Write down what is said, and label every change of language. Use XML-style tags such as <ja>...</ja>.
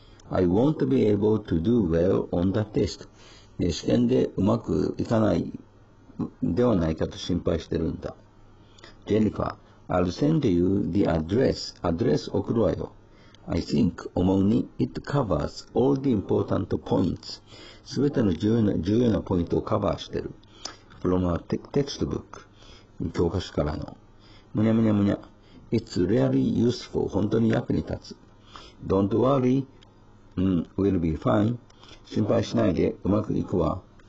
<en>I won't be able to do well on the test.</en> <ja>試験でうまくいかないではないかと心配してるんだ。</ja> <en>ジェニファー、I'll send you the address.</en> <ja>アドレス送るわよ。</ja> <en>I think,</en> <ja>思うに、</ja> <en>it covers all the important points.</en> <ja>すべての重要なポイントをカバーしてる。</ja> <en>from our textbook.</en> <ja>教科書からの。</ja> <en>むにゃむにゃむにゃ。 it's really useful.</en> <ja>本当に役に立つ。</ja> <en>don't worry.、we'll be fine.</en> <ja>心配しないで、うまくいくわ。</ja>